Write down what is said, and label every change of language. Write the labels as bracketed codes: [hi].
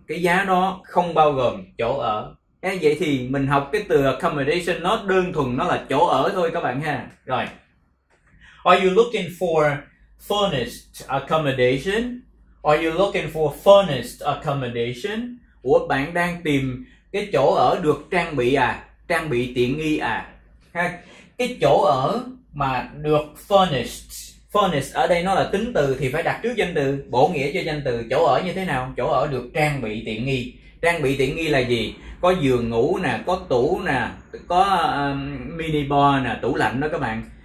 [vi] Cái giá đó không bao gồm chỗ ở. Vậy thì mình học cái từ accommodation, nó đơn thuần nó là chỗ ở thôi các bạn ha. Rồi. [en] Are you looking for furnished accommodation? Are you looking for furnished accommodation? [vi] Ủa, bạn đang tìm cái chỗ ở được trang bị à? Trang bị tiện nghi à? Ha. Cái chỗ ở mà được furnished. Furnished ở đây nó là tính từ thì phải đặt trước danh từ, bổ nghĩa cho danh từ chỗ ở như thế nào? Chỗ ở được trang bị tiện nghi. Trang bị tiện nghi là gì? Có giường ngủ nè, có tủ nè, có mini bar nè, tủ lạnh đó các bạn.